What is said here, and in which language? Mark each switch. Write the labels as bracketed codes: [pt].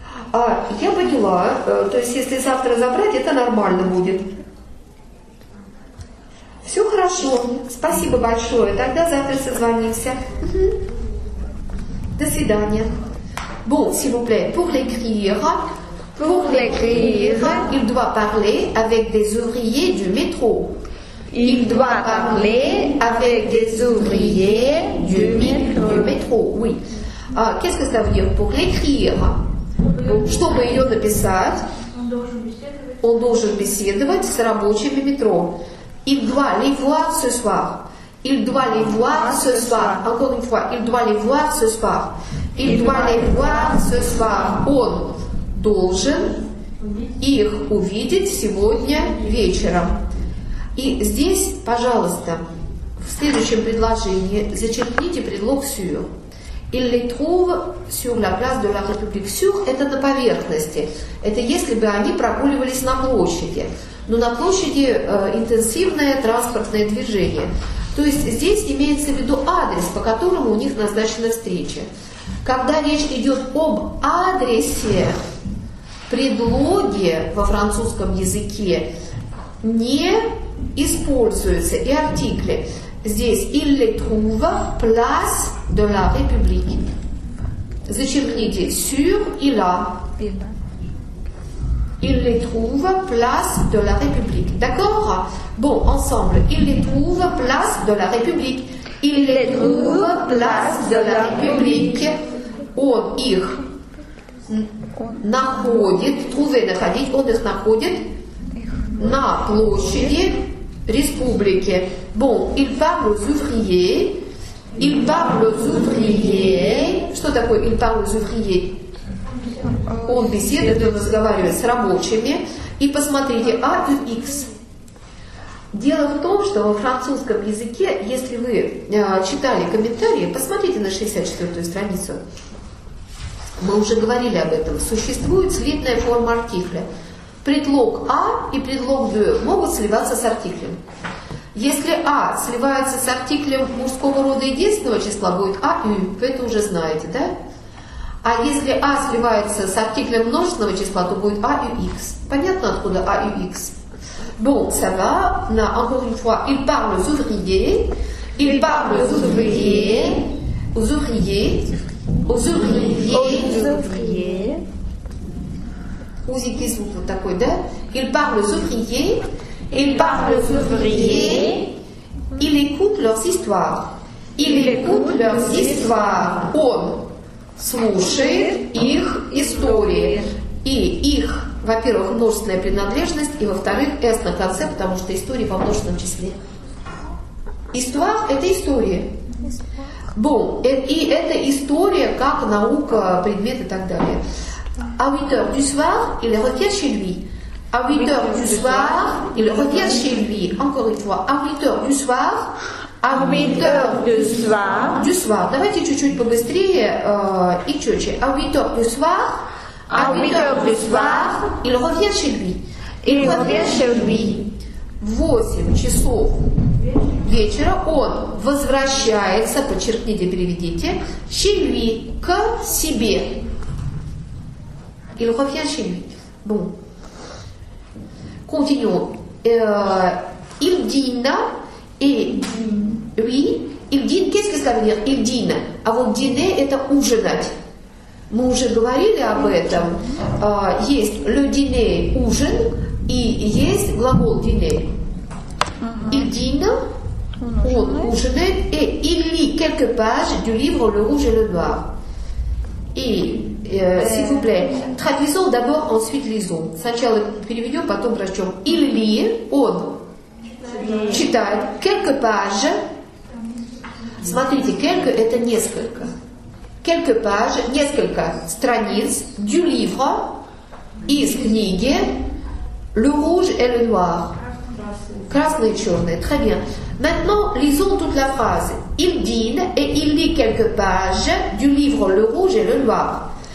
[ru] А я поняла, то есть если завтра забрать, это нормально будет. Все хорошо, спасибо большое, тогда завтра созвонимся. До свидания. [fr] Bon, s'il vous plaît, pour l'écrire, il doit parler avec des ouvriers du métro. Il doit parler avec des ouvriers du métro, oui. А, qu'est-ce que ça veut dire pour l'écrire? [ru] Чтобы ее написать, он должен беседовать с рабочими метро. [fr] Il doit les voir ce soir. Il doit les voir ce soir. Encore une fois, il doit les voir ce soir. Il doit les voir ce soir. [ru] Он должен их увидеть сегодня вечером. И здесь, пожалуйста, в следующем предложении зачеркните предлог «сюр». [fr] Il les trouve sur la place de la République. [ru] Sur – это на поверхности. Это если бы они прогуливались на площади. Но на площади интенсивное транспортное движение. То есть здесь имеется в виду адрес, по которому у них назначена встреча. Когда речь идет об адресе, предлоги во французском языке не используются и артикли. Здесь [fr] «il les trouve place de la République». [ru] Зачеркните «sur» и «la». [fr] «Il les trouve place de la République». D'accord? Bon, ensemble. «Il les trouve place de la République». «Il les trouve place de la République». [ru] Он их находит, «trouver» находить, он их находит на площади Республики. [fr] Bon, il parle aux ouvriers. Il parle aux ouvriers. [ru] Что такое [fr] il parle aux ouvriers? [ru] Он беседует, он разговаривает с рабочими. И посмотрите, A и X. Дело в том, что во французском языке, если вы читали комментарии, посмотрите на 64-ю страницу. Мы уже говорили об этом. Существует слитная форма артикля. Предлог А и предлог Б могут сливаться с артиклем. Если А сливается с артиклем мужского рода единственного числа, будет А и У, вы это уже знаете, да? А если А сливается с артиклем множественного числа, то будет А и Х. Понятно, откуда А и Х? [fr] Bon, ça va, на encore une fois, il parle aux ouvriers, il parle aux ouvriers, aux ouvriers, aux ouvriers. [ru] Узикизм вот такой, да? [fr] Il parle aux ouvriers. Il parle aux ouvriers. Il écoute leurs histoires. Il écoute leurs histoires. Он слушает их истории. И их, во-первых, множественная принадлежность, и во-вторых, S на конце, потому что истории во множественном числе. Histoire – это история. Bon, и это история как наука, предмет и так далее. À 8h du soir, il revient chez lui. À 8h du soir, il revient chez lui. Encore une fois, à 8h du soir. À 8h du soir. Du soir. [ru] Давайте чуть-чуть побыстрее и чётче. [fr] À 8h du soir. À 8h du soir, il revient chez lui. Il revient chez lui. [ru] 8 часов вечера он возвращается, подчеркните, переведите, [fr] chez lui, [ru] к себе. [fr] Il revient chez lui. Bon. Continuons. Il dîne et... Oui. Il dîne, qu'est-ce que ça veut dire? Il dîne. [ru] А вот dîner, это ужинать. Мы уже говорили об этом. Есть le dîner, ужин, и есть глагол dîner. Il dîne. [fr] Rougenet, et il lit quelques pages du livre Le Rouge et le Noir. Et, s'il vous plaît, traduisons d'abord, ensuite lisons. [ru] Сначала переведем, потом прочтем. [fr] Il lit, [ru] он читает [fr] quelques pages. [ru] Смотрите, quelques, это несколько. [fr] Quelques pages, [ru] несколько страниц [fr] du livre, [ru] из книги [fr] Le Rouge et le Noir. [ru] Красный и черный. [fr] Très bien. Maintenant, lisons toute la phrase. Il dîne et il lit quelques pages du livre Le Rouge et le Noir.